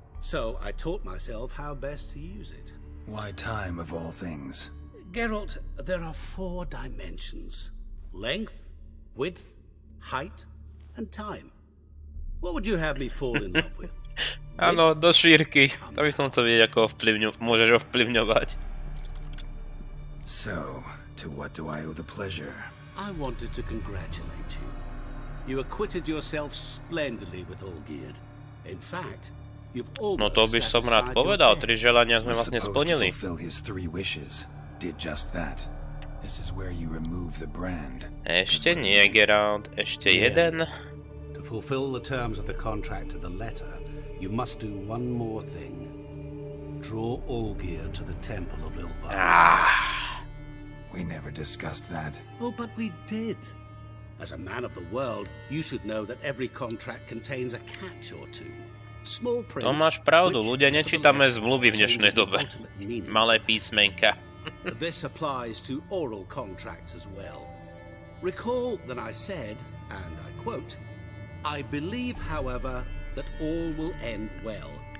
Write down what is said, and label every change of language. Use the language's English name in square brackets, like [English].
[English] So I taught myself how best to use it. Why time, of all things? Geralt, there are four dimensions. Length, width, height, and time. What would you have me fall in love with? [Slovak] Áno, do šírky. To by som chcel vidieť, ako môžeš ovplyvňovať. [English] So, to what do I owe the pleasure? I wanted to congratulate you. You acquitted yourself splendidly with Olgird. In fact, you've almost [Slovak] No to by som rád povedal, tri želania sme vlastne splnili. [English] To fulfill his three wishes. Did just that. This is where you remove the brand. [Slovak] Ešte nie, Geralt. Ešte jeden. [English] To fulfill the terms of the contract to the letter, you must do one more thing. Draw Olgird to the Temple of Ilvar. We never discussed that. Oh, but we did. As a man of the world, you should know that every contract contains a catch or two. Small print. [Slovak] To máš pravdu, ľudia nečítame zmluvy v dnešnej dobe. Malé písmenka. [English] This applies to oral contracts as well. Recall that I said, and I quote, I believe, however, that all will end well.